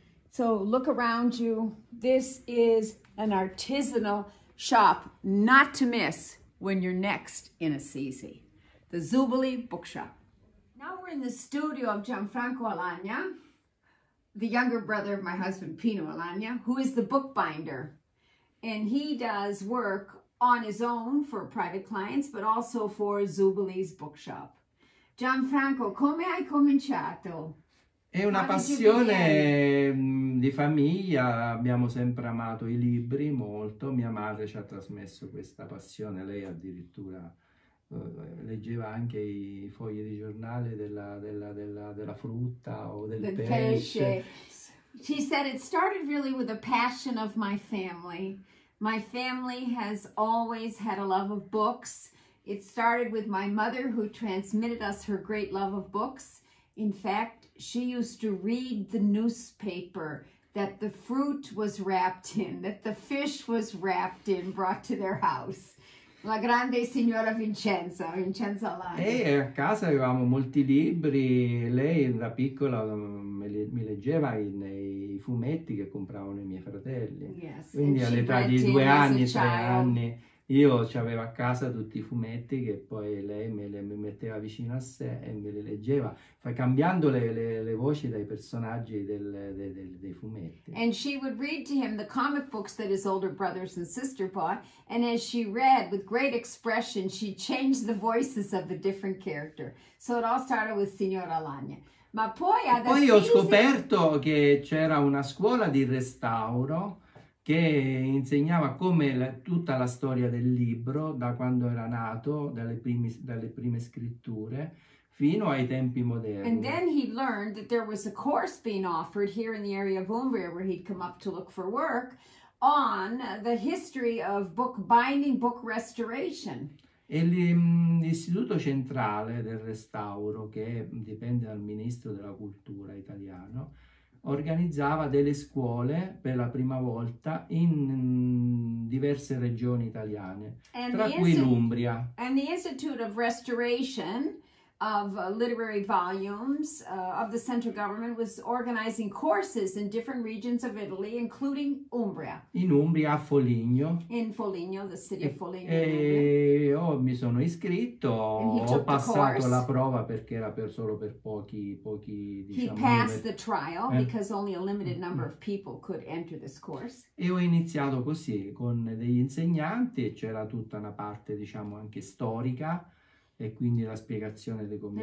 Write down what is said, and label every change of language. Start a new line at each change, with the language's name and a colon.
English: So look around you. This is an artisanal shop not to miss when you're next in Assisi, the Zubboli Bookshop. Now we're in the studio of Gianfranco Alagna, the younger brother of my husband, Pino Alagna, who is the bookbinder. And he does work on his own for private clients, but also for Zubboli's bookshop.
Italian: Gianfranco, come hai cominciato? È una passione di famiglia. Abbiamo sempre amato i libri molto. Mia madre ci ha trasmesso questa passione. Lei addirittura leggeva anche i fogli di giornale della frutta o del pesce.
English: She said it started really with a passion of my family. My family has always had a love of books. It started with my mother, who transmitted us her great love of books. In fact, she used to read the newspaper that the fruit was wrapped in, that the fish was wrapped in, brought to their house.
Italian: La grande signora Vincenza, Vincenza Lange. E a casa avevamo molti libri, lei da piccola mi leggeva nei fumetti che compravano i miei fratelli.
English: Yes.
Italian: Quindi all'età di due anni, tre anni, io c'avevo a casa tutti i fumetti che poi lei me li metteva vicino a sé e me li leggeva, cambiando le voci dai personaggi dei fumetti.
English: And she would read to him the comic books that his older brothers and sister bought, and as she read, with great expression, she changed the voices of the different character. So it all started with Signora Lagna.
Italian: Ma poi, poi ho scoperto che c'era una scuola di restauro che insegnava come tutta la storia del libro, da quando era nato, dalle prime scritture, fino ai tempi moderni.
English: And then he learned that there was a course being offered here in the area of Umbria, where he'd come up to look for work, on the history of book binding, book restoration.
Italian: E l'istituto centrale del restauro, che dipende dal ministro della cultura italiano, organizzava delle scuole per la prima volta in diverse regioni italiane, tra cui l'Umbria.
English: And the Institute of Restoration of Literary Volumes of the Central Government was organizing courses in different regions of Italy, including Umbria.
Italian: In Umbria, a Foligno.
English: In Foligno, the city of Foligno.
Italian: Mi sono iscritto, ho passato la prova perché era solo per pochi, diciamo.
English: He passed the trial because only a limited number of people could enter this course.
Italian: E ho iniziato così, con degli insegnanti, e c'era tutta una parte, diciamo, anche storica, e quindi la spiegazione di come